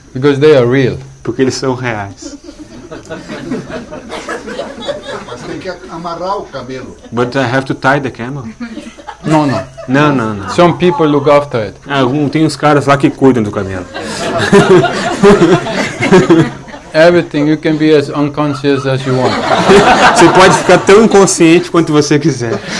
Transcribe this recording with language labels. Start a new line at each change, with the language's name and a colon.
English: Because they are real.
Portuguese: Porque eles são reais. Amarrar o cabelo.
English: But I have to tie the camel. No, no. No, no, no. Some people look after it.
Portuguese: Tem uns caras lá que cuidam do camelo.
English: Everything, you can be as unconscious as you want.
Portuguese: Você pode ficar tão inconsciente quanto você quiser.